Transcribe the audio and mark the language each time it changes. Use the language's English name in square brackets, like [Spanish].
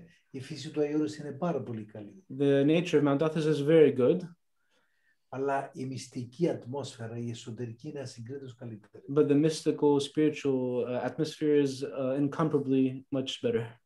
[Greek] Η φύση του Άγιον Όρος είναι πάρα πολύ καλή. [English] The nature of Mount Athos is very good. [Greek] Αλλά η μυστική ατμόσφαιρα, η εσωτερική είναι ασυγκρίτως καλύτερη. [English] But the mystical, spiritual atmosphere is incomparably much better.